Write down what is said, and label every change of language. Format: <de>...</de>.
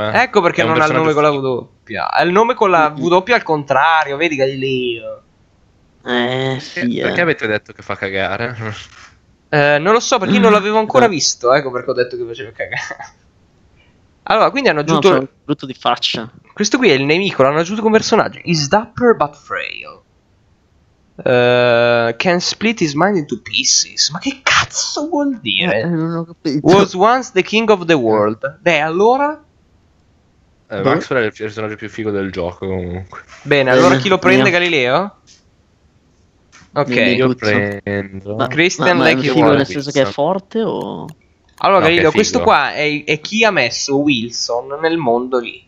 <it>Ecco perché non ha il nome con la W. Ha il nome con la W al contrario, vedi Galileo. Sì. Perché avete detto che fa cagare? Non lo so, perché io non l'avevo ancora visto. Ecco perché ho detto che faceva cagare. Allora, quindi hanno aggiunto... No, c'è un brutto di faccia. Questo qui è il nemico, l'hanno aggiunto come personaggio.</it> <en>Is dapper but frail. Can split his mind into pieces.</en> <it>Ma che cazzo vuol dire? Non ho capito.</it> <en>Was once the king of the world.</en> <it>Beh, allora Maxwell è il personaggio più figo del gioco comunque. Bene, allora chi lo prende? Mio. Galileo? Ok, io prendo Christian. Ma è chi figo vuole, nel senso pizza. Che è forte o? Allora no, Galileo, questo qua è chi ha messo Wilson nel mondo lì.</it>